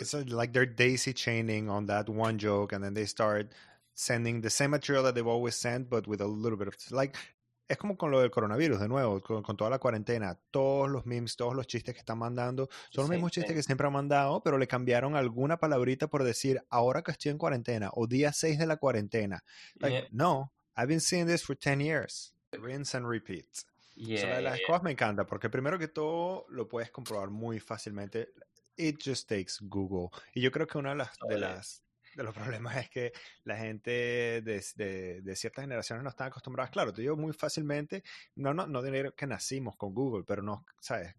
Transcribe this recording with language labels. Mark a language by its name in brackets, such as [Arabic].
[English] it's like they're daisy chaining on that one joke, and then they start sending the same material that they've always sent, but with a little bit of, like, [Spanish] es como con lo del coronavirus, de nuevo, con toda la cuarentena, todos los memes, todos los chistes que están mandando, [English] The [Spanish] son los [English] same [Spanish] mismos chistes que [English] thing. [Spanish] siempre han mandado, pero le cambiaron alguna palabrita por decir, ahora que estoy en cuarentena, o día 6 de la cuarentena. [English] Like, no, I've been seeing this for 10 years. Rinse and repeat. [Spanish] Eso de las cosas me encanta, porque primero que todo lo puedes comprobar muy fácilmente. [English] It just takes Google. [Spanish] Y yo creo que una de los problemas es que la gente de ciertas generaciones no están acostumbradas. Claro, te digo muy fácilmente, no diré que nacimos con Google, pero no, ¿sabes?